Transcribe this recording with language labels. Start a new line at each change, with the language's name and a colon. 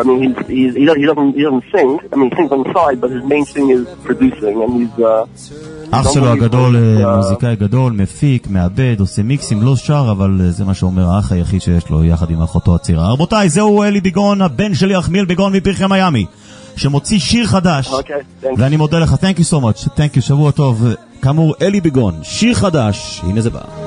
English: I mean, he doesn't sing. I mean, he sings on the side, but his main thing is producing, and he's...
Hebrew: אח שלו הגדול, מוזיקאי גדול, מפיק, מאבד, עושה מיקסים, לא שר, אבל זה מה שאומר האח היחיד שיש לו יחד עם אחותו הצעירה. רבותיי, זהו אלי ביגון, הבן שלי אחמיל ביגון מפרחי מיאמי, שמוציא שיר חדש. ואני מודה לך,
English: thank you so much, thank you,
Hebrew: שבוע טוב. כאמור, אלי ביגון, שיר חדש, הנה זה בא.